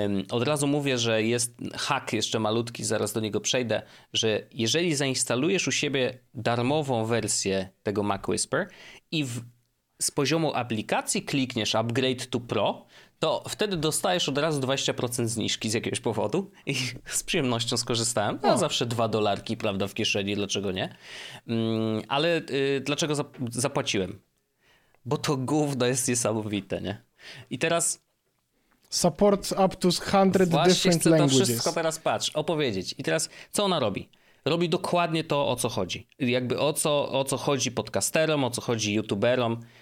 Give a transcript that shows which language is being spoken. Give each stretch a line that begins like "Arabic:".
Polish: od razu mówię, że jest hack jeszcze malutki, zaraz do niego przejdę, że jeżeli zainstalujesz u siebie darmową wersję tego Mac Whisper i z poziomu aplikacji klikniesz Upgrade to Pro, to wtedy dostajesz od razu 20% zniżki z jakiegoś powodu i z przyjemnością skorzystałem. No zawsze 2 dolarki, prawda, w kieszeni, dlaczego nie? Ale dlaczego zapłaciłem? Bo to gówno jest niesamowite, nie? I teraz...
English: Support up to 100 different languages.
Polish: Właśnie chcę to wszystko teraz opowiedzieć. I teraz, co ona robi? Robi dokładnie to, o co chodzi. Jakby o co chodzi podcasterom, o co chodzi youtuberom.